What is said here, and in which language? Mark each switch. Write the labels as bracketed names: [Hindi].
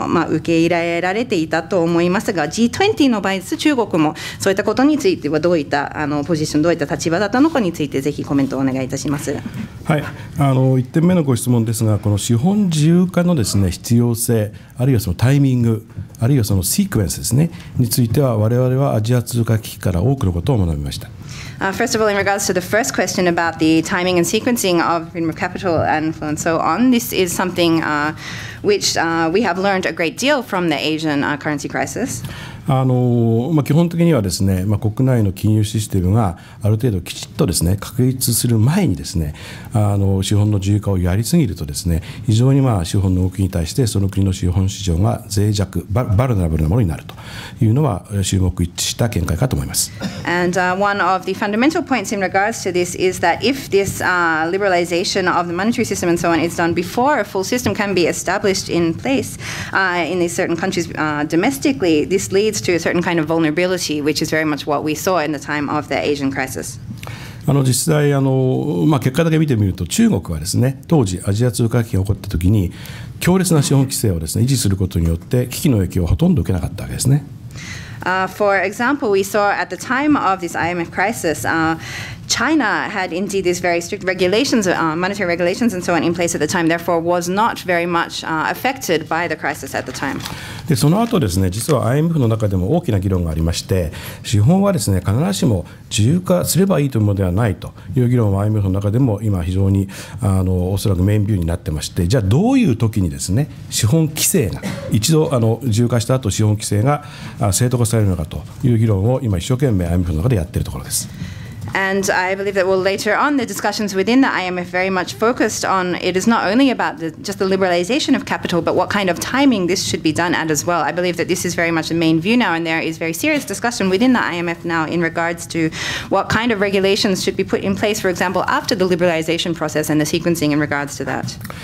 [Japanese] 受け入れられていたと思いますが、 G20 の場合です、中国もそういったことについてはどういったポジション、どういった立場だったのかについてぜひコメントをお願いいたします。はい、1点目のご質問ですが、この資本自由化のですね、必要性、あるいはそのタイミング、あるいはそのシークエンスですね、については我々はアジア通貨危機から多くのことを学びました。 [English] First of all, in regards to the first question about the timing and sequencing of capital and so on, this is something which we have learned a great deal from the Asian currency crisis. [Japanese] 基本的にはですね、国内の金融システムがある程度きちっとですね、確立する前にですね、資本の自由化をやりすぎるとですね、非常に資本の動きに対してその国の資本市場が脆弱、バルナブルなものになるというのは注目一致した見解かと思います。 [English] And one of the fundamental points in regards to this is that if this liberalization of the monetary system and so on is done before a full system can be established in place in these certain countries domestically, this leads to a certain kind of vulnerability, which is very much what we saw in the time of the Asian crisis. [Japanese] 実際結果だけ見てみると、中国はですね、当時アジア通貨危機が起こった時に強烈な資本規制をですね、維持することによって危機の影響をほとんど受けなかったわけですね。 [English] For example, we saw at the time of this IMF crisis, China had indeed these very strict regulations, monetary regulations and so on in place at the time, therefore was not very much affected by the crisis at the time. [Japanese] で、その後ですね、実は IMF の中でも大きな議論がありまして、資本はですね、必ずしも自由化すればいいというものではないという議論は IMF の中でも今非常におそらくメインビューになってまして、じゃあどういう時にですね、資本規制が、一度自由化した後資本規制が正当化されるのかという議論を今一生懸命 IMF の中でやっているところです。 [English] And I believe that, well, later on, the discussions within the IMF very much focused on it is not only about the, just the liberalization of capital, but what kind of timing this should be done at as well. I believe that this is very much the main view now, and there is very serious discussion within the IMF now in regards to what kind of regulations should be put in place, for example, after the liberalization process and the sequencing in regards to that.